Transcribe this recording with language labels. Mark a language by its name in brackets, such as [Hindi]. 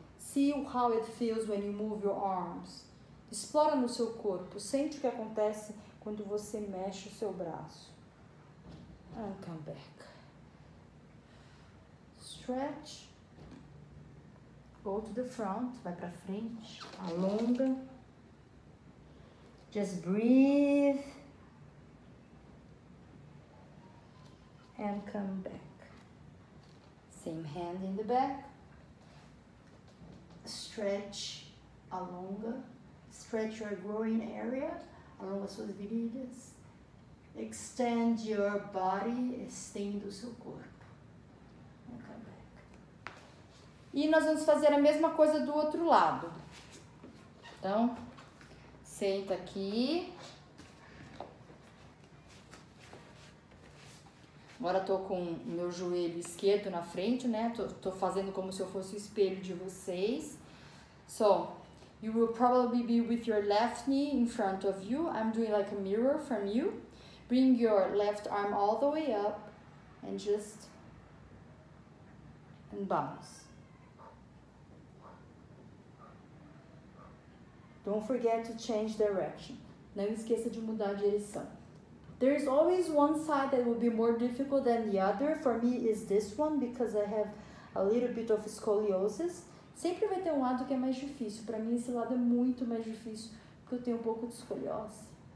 [English] See how it feels when you move your arms. [Portuguese] Explora no seu corpo. Sente o que acontece quando você mexe o seu braço. [English] And come back. Stretch. Go to the front. [Portuguese] Vai pra frente. Alonga. [English] Just breathe. And come back. Same hand in the back. Stretch. [Portuguese] Alonga. [English] Stretch your groin area. [Portuguese] Alonga suas virilhas. [English] Extend your body. [Portuguese] Estenda o seu corpo. [English] And come back. [Portuguese] E nós vamos fazer a mesma coisa do outro lado. Então, senta aqui. Agora tô com meu joelho esquerdo na frente, né? Tô fazendo como se eu fosse o espelho de vocês. [English] So, you will probably be with your left knee in front of you. I'm doing like a mirror from you. Bring your left arm all the way up and just and bounce. Don't forget to change direction. [Portuguese] Não esqueça de mudar a direção. [English] There is always one side that will be more difficult than the other. For me, is this one because I have a little bit of scoliosis. [Portuguese] Sempre vai ter um lado que é mais difícil. Para mim, esse lado é muito mais difícil porque eu tenho um pouco de escoliose.